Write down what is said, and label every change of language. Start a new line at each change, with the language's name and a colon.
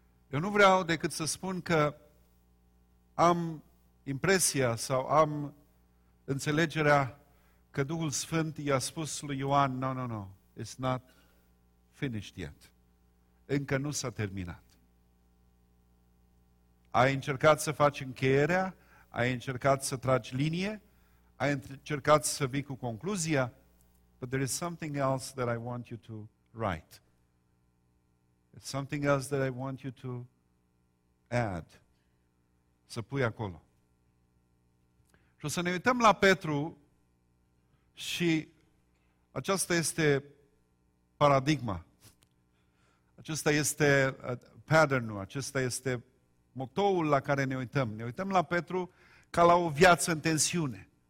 Romanian: Eu nu vreau decât să spun că am impresia sau am înțelegerea că Duhul Sfânt i-a spus lui Ioan:
English: no, it's not finished yet.
Romanian: Încă nu s-a terminat. Ai încercat să faci încheierea, ai încercat să tragi linie, ai încercat să vii cu concluzia,
English: but there is something else that I want you to write. It's something else that I want you to add.
Romanian: Să pui acolo. Și o să ne uităm la Petru și aceasta este paradigma. Acesta este pattern-ul, acesta este motoul la care ne uităm. Ne uităm la Petru ca la o viață în tensiune.